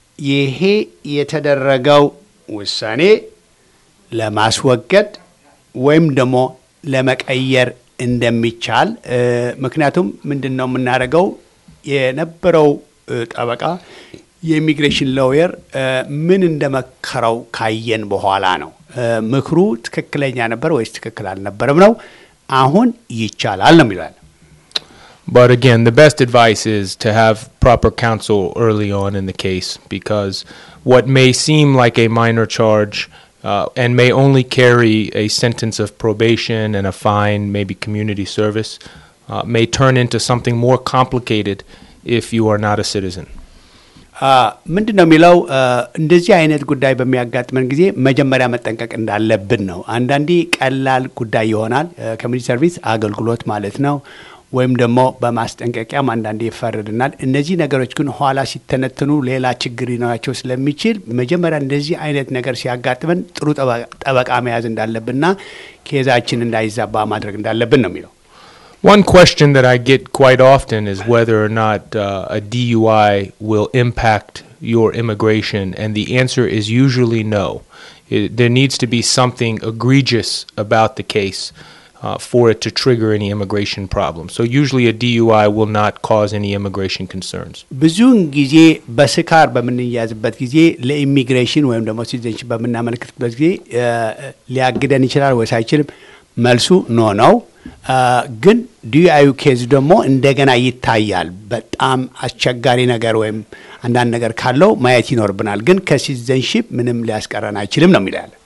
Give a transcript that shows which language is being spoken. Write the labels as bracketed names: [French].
[Amharic] ይሄ የተደረገው ውሳኔ ለማስወገድ ወይም ደሞ ለመቀየር እንደሚቻል ምክንያቱም ምንድነው የምናረገው የነበረው ጠበቃ የኢሚግሬሽን ሎየር ምን እንደመከረው ካየን በኋላ ነው ምክሩ ትክክለኛ ነበር ወይስ ትክክል አልነበረም ነው አሁን ይቻላል ነው ይላል [English] But again the best advice is to have proper counsel early on in the case because what may seem like a minor charge and may only carry a sentence of probation and a fine maybe community service may turn into something more complicated if you are not a citizen [Amharic] ምንድነው የሚለው እንደዚህ አይነት ጉዳይ በሚያጋጥመን ጊዜ መጀመሪያ መጠንቀቅ እንዳለብን ነው አንዳንዴ ቀላል ጉዳይ ይሆናል ኮሚኒቲ ሰርቪስ አገልግሎት ማለት ነው ወይም ደግሞ በማስጠንቀቂያም አንዳንዴ ይፈረድናል እነዚህ ነገሮች ግን ኋላ ሲተነተኑ ሌላ ችግር ይኖራቸው ስለሚችል መጀመሪያ እንደዚህ አይነት ነገር ሲያጋጥመን ጥሩ ጠበቃ መያዝ እንዳለብንና ኬዛችን እንዳይዛባ ማድረግ እንዳለብን ነው የሚለው [English] One question that I get quite often is whether or not a DUI will impact your immigration, and the answer is usually no. There needs to be something egregious about the case for it to trigger any immigration problem. So usually a DUI will not cause any immigration concerns. [Amharic] ብዙን ጊዜ በስካር በመንያዝበት ጊዜ ለኢሚግሬሽን ወይም ደግሞ ሲዘንች በመናመልክበት ጊዜ ሊያግደን ይችላል ወይስ አይችልም መልሱ ኖ ነው ግን ዲዩአይ ኬዝ ደግሞ እንደገና ይታያል በጣም አስቸጋሪ ነገር ወይም አንዳንድ ነገር ካለው ማየት ይኖርብናል ግን ከሲዘንሺፕ ምንም ሊያስቀረን አይችልም ነው የሚለው